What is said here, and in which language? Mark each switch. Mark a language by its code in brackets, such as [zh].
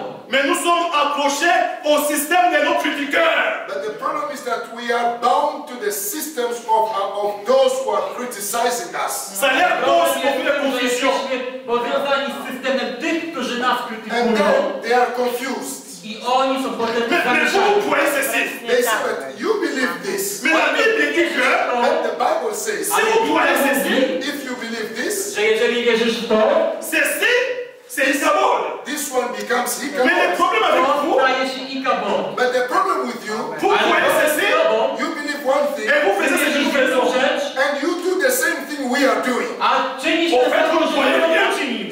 [fr] Mais nous sommes accrochés au système de nos critiqueurs. [en] But the problem is that we are bound to the systems of those who are criticizing us. [fr] Ça a l'air cause beaucoup de confusion. [pl] Powiązani z systemem tych, którzy nas krytykują. [en] And then they are confused. [pl] I oni są potem zamieszani. [en] They say, but you believe this. [fr] Mais la Bible dit que. [en] But the Bible says. [fr] Si vous croyez ceci. [en] If you believe this. [pl] Że jeżeli wierzysz to. [fr] Ceci. C'est Ikabod. [en] This one becomes Ikabod. [fr] Mais le problème avec vous. [en] But the problem with you. [fr] Vous croyez ceci. [en] You believe one thing. [fr] Et vous faites ce que nous faisons. [en] And you do the same thing we are doing. [pl] A czynisz to samo, co my czynimy.